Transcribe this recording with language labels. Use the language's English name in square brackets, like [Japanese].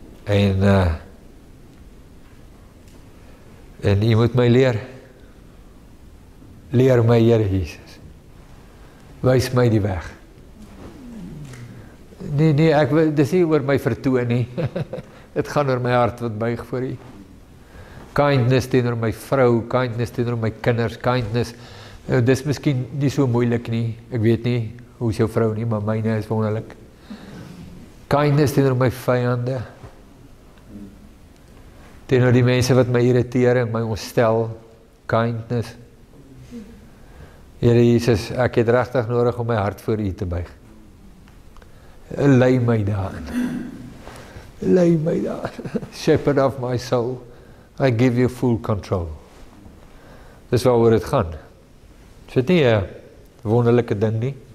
[Afrikaans] En jy moet my leer. Leer my, Heer Jesus. Wys my die weg. Nee, ek wil, dis nie oor my vertoon nie. Dit gaan oor my hart wat buig voor u. Kindness teenoor my vrou, kindness teenoor my kinders, kindness. Dis miskien nie so moeilik nie. Ek weet nie hoe is jou vrou nie, maar myne is wonderlik. Kindness teenoor my vyande. Teenoor die mense wat my irriteer en my ontstel, kindness. Here Jesus, ek het regtig nodig om my hart voor u te buig. Lei my daarin. Lei my daarin. [English] Shepherd of my soul, I give you full control. [Afrikaans] Dis waaroor dit gaan. Is dit nie 'n wonderlike ding nie?